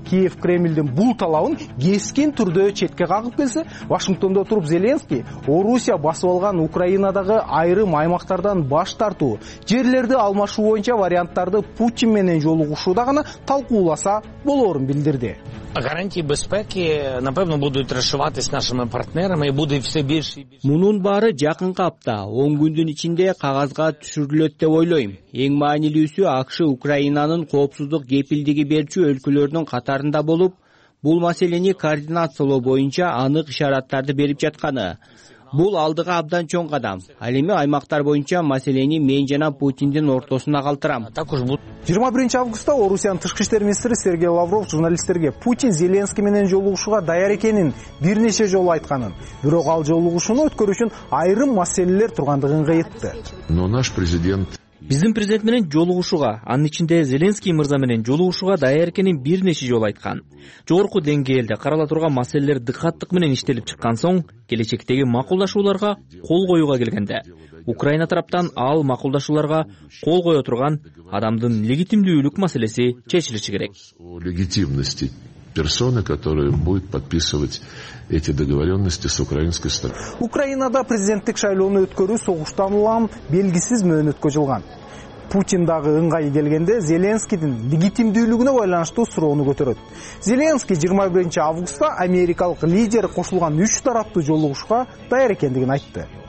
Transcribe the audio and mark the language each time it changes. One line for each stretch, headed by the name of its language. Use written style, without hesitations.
Kyrgyz: Киев Кремлдин бул талабын кескин түрдө четке кагып келсе, Вашингтондо туруп Зеленский Орусия басып алган Украинадагы айрым аймактардан баш тартуу, жерлерди алмашуу боюнча варианттарды Путин менен жолугушуу да гана талкууласа болорун билдирди.
Russian: Гарантии безопасности, напевно, будут расшиваться с нашими партнерами и будет все больше и больше.
Kyrgyz: Мунун баары жакынкы апта 10 күндүн ичинде кагазга түшүрүлөт деп ойлойм. Эң маанилүүсү АКШ Украинанын коопсуздук кепилдиги берчү өлкөлөрдүн катарында болуп, бул маселени координациялоо боюнча анык ишараттарды берип жатканы. Бул алдыга абдан чоң кадам. Ал эми аймактар боюнча маселени мен жана Путиндин ортосуна калтырам. 21 августта Орусиянын тышкы иштер министри Сергей Лавров журналисттерге Путин Зеленский менен жолугушууга даяр экенин бир нече жолу айтканын, бирок ал жолугушууну өткөрүү үчүн айрым маселелер тургандыгын кайтты.
Russian: Но наш президент
Kyrgyz: Биздин президент менен жолугушууга, анын ичинде Зеленский мырза менен жолугушууга даяр экенин бир нече жолу айткан. Жогорку деңгээлде карала турган маселелер дыкаттык менен иштелип чыккан соң, келечектеги макулдашууларга кол коюуга келгенде, Украина тараптан ал макулдашууларга кол кое турган адамдын легитимдүүлүк маселеси чечилиши керек.
Russian: Легитимности персоны, которые будут подписывать эти договоренности с украинской стороны.
Kyrgyz: Украинада президенттик шайлоону өткөрүү согуштан улам белгисиз мөөнөткө жылган. Путин дагы ыңгайы келгенде Зеленскийдин легитимдүүлүгүнө байланыштуу суроону көтөрөт. Зеленский 21 августта америкалык лидер кошулган үч тараптуу жолугушууга даяр экендигин айтты.